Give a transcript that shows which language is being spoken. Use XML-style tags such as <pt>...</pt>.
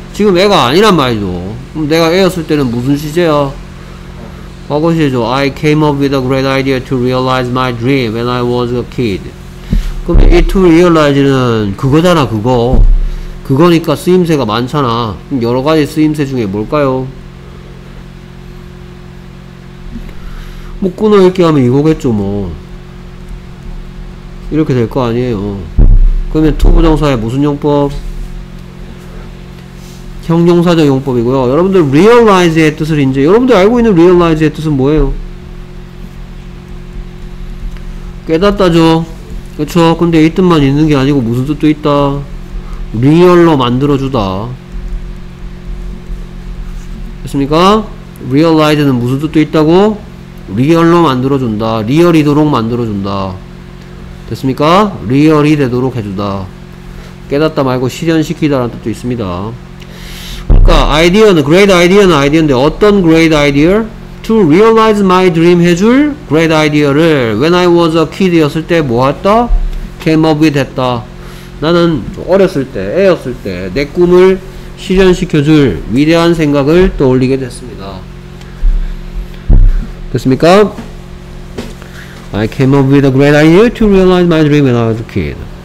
<ko>지금 애가 아니란 말이죠. 그럼 내가 애였을 때는 무슨 시제야? 과거 시제죠.</ko> <en>I came up with a great idea to realize my dream when I was a kid.</en> <ko>그럼 이 to realize는 그거잖아, 그거. 그거니까 쓰임새가 많잖아. 그럼 여러 가지 쓰임새 중에 뭘까요? 뭐 끊어읽기 하면 이거겠죠, 뭐. 이렇게 될 거 아니에요. 그러면 to 부정사의 무슨 용법? 형용사적 용법이고요. 여러분들 realize의 뜻을 이제 여러분들 알고 있는 realize의 뜻은 뭐예요? 깨닫다죠. 그렇죠. 근데 이 뜻만 있는 게 아니고 무슨 뜻도 있다. 리얼로 만들어주다. 됐습니까? realize는 무슨 뜻도 있다고? 리얼로 만들어준다. 리얼이도록 만들어준다. 됐습니까? 리얼이 되도록 해주다. 깨닫다 말고 실현시키다라는 뜻도 있습니다. 그러니까 아이디어는 great idea는 아이디어인데 어떤 great idea?</ko> <en>to realize my dream</en> <ko>해줄</ko> <en>great idea를 when I was a kid</en> <ko>였을 때 뭐 했다?</ko> <en>came up with</en> <ko>했다. 나는 어렸을 때, 애였을 때 내 꿈을 실현시켜줄 위대한 생각을 떠올리게 됐습니다. 됐습니까?</ko> <en>I came up with a great idea to realize my dream when I was a kid.</en>